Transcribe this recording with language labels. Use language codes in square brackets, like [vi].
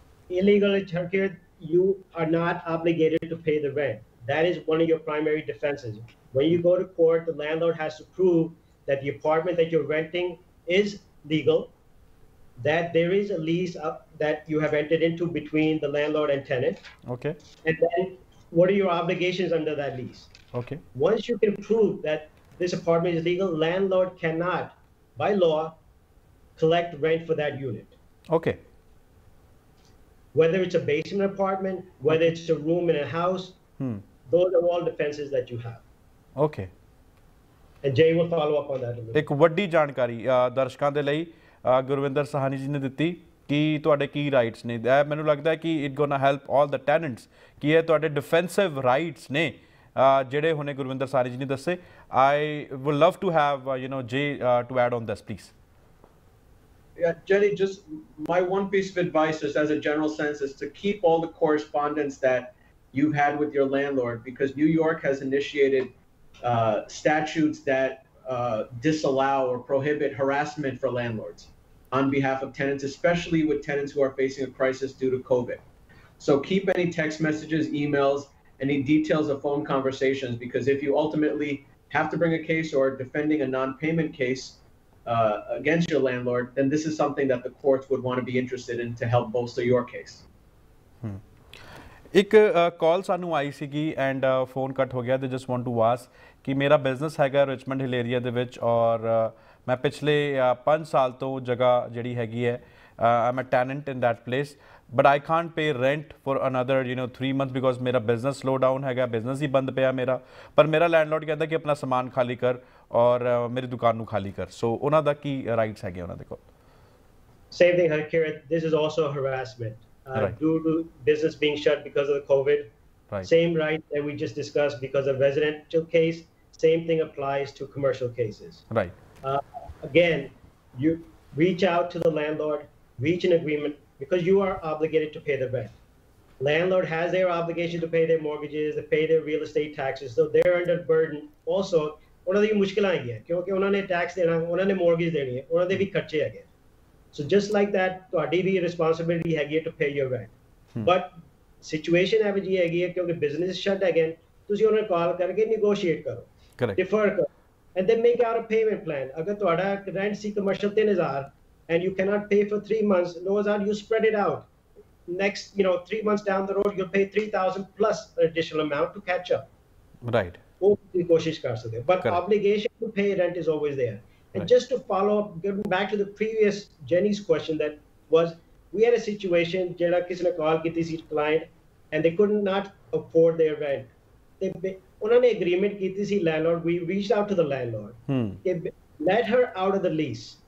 [en] Illegal is ਹਰ ਕੇ you are not obligated to pay the rent that is one of your primary defences when you go to court the landlord has to prove that the apartment that you are renting is legal that there is a lease up that you have entered into between the landlord and tenant. Okay. And then what are your obligations under that lease? Okay. Once you can prove that this apartment is legal, landlord cannot, by law, collect rent for that unit. Okay. whether it's a basement apartment, whether it's a room in a house, those are all defenses that you have. Okay. And Jay will follow up on that. [pa] ਇੱਕ ਵੱਡੀ ਜਾਣਕਾਰੀ ਦਰਸ਼ਕਾਂ ਦੇ ਲਈ ਗੁਰਵਿੰਦਰ ਸਹਾਨੀ ਜੀ ਨੇ ਦਿੱਤੀ ਕਿ ਤੁਹਾਡੇ ਕੀ ਰਾਈਟਸ ਨੇ। ਇਹ ਮੈਨੂੰ ਲੱਗਦਾ ਕਿ [en] it gonna help all the tenants [pa] ਕਿ ਇਹ ਤੁਹਾਡੇ ਡਿਫੈਂਸਿਵ ਰਾਈਟਸ ਨੇ ਜਿਹੜੇ ਹੁਣੇ ਗੁਰਵਿੰਦਰ ਸਹਾਨੀ ਜੀ ਨੇ ਦੱਸੇ। [en] I would love to have you know ਜੇ to add on this please. Yeah, Jenny, just my one piece of advice is, as a general sense, is to keep all the correspondence that you've had with your landlord, because New York has initiated statutes that disallow or prohibit harassment for landlords on behalf of tenants, especially with tenants who are facing a crisis due to COVID. So keep any text messages, emails, any details of phone conversations, because if you ultimately have to bring a case or defending a non-payment case against your landlord, then this is something that the courts would want to be interested in to help bolster your case. [pa] ਇੱਕ ਕਾਲ ਸਾਨੂੰ ਆਈ ਸੀਗੀ and phone ਕੱਟ ਹੋ ਗਿਆ। [en] they just want to ask [pa] ਕਿ ਮੇਰਾ ਬਿਜ਼ਨਸ ਹੈਗਾ ਰਿਚਮੰਡ ਹਿਲ ਏਰੀਆ ਦੇ ਵਿੱਚ, ਔਰ ਮੈਂ ਪਿਛਲੇ 5 ਸਾਲ ਤੋਂ ਜਗ੍ਹਾ ਜਿਹੜੀ ਹੈਗੀ ਹੈ [en] I'm a tenant in that place, but I can't pay rent for another you know 3 month because [pa] ਮੇਰਾ ਬਿਜ਼ਨਸ ਸਲੋ ਡਾਊਨ ਹੈਗਾ, ਬਿਜ਼ਨਸ ਹੀ ਬੰਦ ਪਿਆ ਮੇਰਾ। ਪਰ ਮੇਰਾ ਲੈਂਡਲੋਰਡ ਕਹਿੰਦਾ ਕਿ ਆਪਣਾ ਸਮਾਨ ਖਾਲੀ ਕਰ ਔਰ ਮੇਰੀ ਦੁਕਾਨ ਨੂੰ ਖਾਲੀ ਕਰ। ਸੋ ਉਹਨਾਂ ਦਾ ਕੀ ਰਾਈਟਸ ਹੈਗੇ ਉਹਨਾਂ ਦੇ ਕੋਲ? [en] Same thing Harkirat, this is also harassment due to business being shut because of the COVID. Right. Same right that we just discussed because of residential case, same thing applies to commercial cases. Right. Again, you reach out to the landlord, reach an agreement, because you are obligated to pay the rent. Landlord has their obligation to pay their mortgages, to pay their real estate taxes, so they're under burden. [pa] Also, ਉਹਨਾਂ ਦੀ ਮੁਸ਼ਕਿਲਾਂ ਆਈਆਂ ਕਿਉਂਕਿ ਉਹਨਾਂ ਨੇ tax ਦੇਣਾ, ਉਹਨਾਂ ਨੇ mortgage ਦੇਣੀ ਹੈ, ਉਹਨਾਂ ਦੇ ਵੀ ਖਰਚੇ ਹੈਗੇ। [en] So just like that, [pa] ਤੁਹਾਡੀ ਵੀ responsibility ਹੈਗੀ ਹੈ [en] to pay your rent. [pa] But situation ਐਵੇਂ ਜੀ ਹੈਗੀ ਹੈ ਕਿਉਂਕਿ business shut again, ਤੁਸੀਂ ਉਹਨਾਂ ਨੂੰ ਕਾਲ ਕਰਕੇ ਨੈਗੋਸ਼ੀਏਟ ਕਰੋ, ਡਿਫਰ ਕਰੋ, [en] And then make out a payment plan. [pa] ਅਗਰ ਤੁਹਾਡਾ rent ਸੀ [en] Commercial 3,000 and you cannot pay four 3 months, knows are you spread it out, next you know 3 months down the road you pay 3,000 plus additional amount to catch up, right? [pa] ਉਹ ਤੁਸੀਂ ਕੋਸ਼ਿਸ਼ ਕਰ ਸਕਦੇ, [en] But obligation to pay rent is always there. And just to follow up, getting back to the previous Jenny's question, that was, we had a situation [pa] jada kisne call kiti si [en] client and they could not afford their rent. They [pa] unhone agreement kiti si [en] landlord, we reached out to the landlord, let her out of the lease.